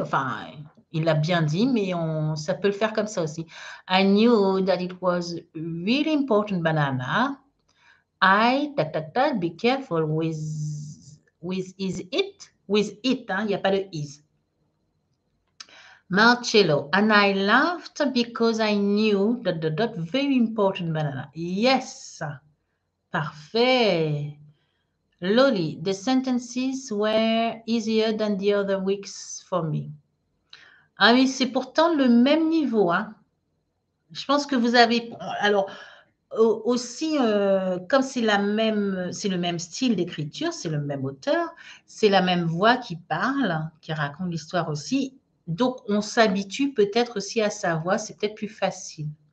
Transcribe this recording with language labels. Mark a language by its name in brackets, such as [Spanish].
[French] Enfin, il l'a bien dit, mais ça peut le faire comme ça aussi. [English] I knew that it was really important banana. Be careful with it, [French] hein, il n'y a pas de is. [English] Marcello, and I laughed because I knew that the dot very important banana. [French] Yes, parfait. [English] Lolly, the sentences were easier than the other weeks for me. [French] Ah oui, c'est pourtant le même niveau, hein. Je pense que vous avez. Alors, aussi, comme c'est le même style d'écriture, c'est le même auteur, c'est la même voix qui parle, qui raconte l'histoire aussi. Donc, on s'habitue peut-être aussi à sa voix, c'est peut-être plus facile.